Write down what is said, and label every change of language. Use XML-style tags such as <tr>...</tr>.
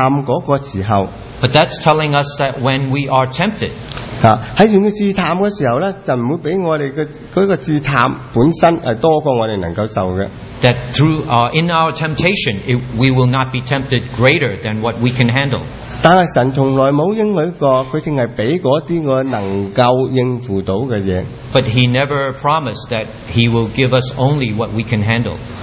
<en>But that's telling us that when we are tempted, that through in our temptation, we will not be tempted greater than what we can handle.</en> <zh>但是神从来没有应许过,</zh> <en>but He never promised that He will give us only what we can handle.</en>